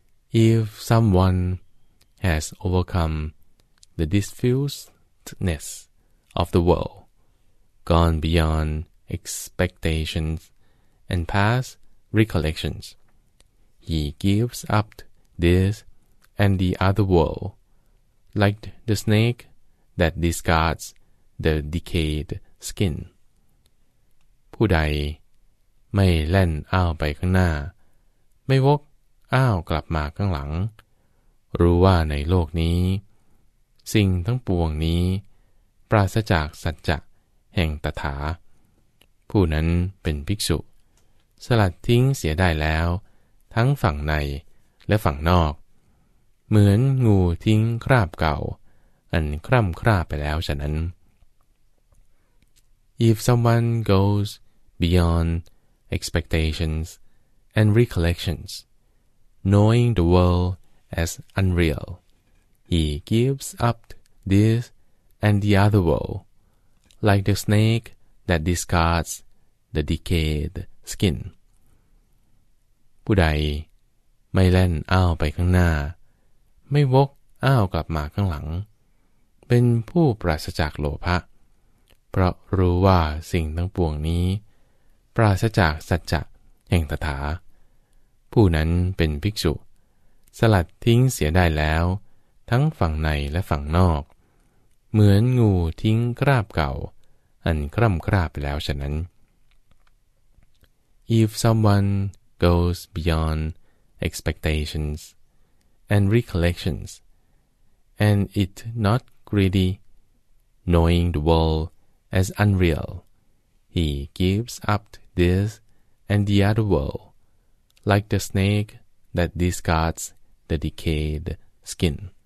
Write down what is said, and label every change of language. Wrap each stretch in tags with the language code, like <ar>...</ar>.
<en>If someone has overcome the diffuseness of the world, gone beyond expectations and past recollections, he gives up this and the other worldLike the snake that discards the decayed skin.</en> <th>ผู้ใดไม่เล่นอ้าวไปข้างหน้าไม่วกอ้าวกลับมาข้างหลังรู้ว่าในโลกนี้สิ่งทั้งปวงนี้ปราศจากสัจจะแห่งตถาผู้นั้นเป็นภิกษุสลัดทิ้งเสียได้แล้วทั้งฝั่งในและฝั่งนอกเหมือนงูทิ้งคราบเก่าอันคร่ำคร่าไปแล้วฉะนั้น</th> <en>If someone goes beyond expectations and recollections, knowing the world as unreal, he gives up this and the other world, like the snake that discards the decayed skin.</en> <th>ผู้ใดไม่แล่นอ้าวไปข้างหน้าไม่วกอ้าวกลับมาข้างหลังเป็นผู้ปราศจากโลภะเพราะรู้ว่าสิ่งทั้งปวงนี้ปราศจากสัจจะแห่งตถาผู้นั้นเป็นภิกษุสลัดทิ้งเสียได้แล้วทั้งฝั่งในและฝั่งนอกเหมือนงูทิ้งคราบเก่าอันคร่ำคร่าไปแล้วฉะนั้น</th> <en>If someone goes beyond expectations and recollections and it not greedy knowing the worldAs unreal, he gives up this and the other world, like the snake that discards the decayed skin.</en>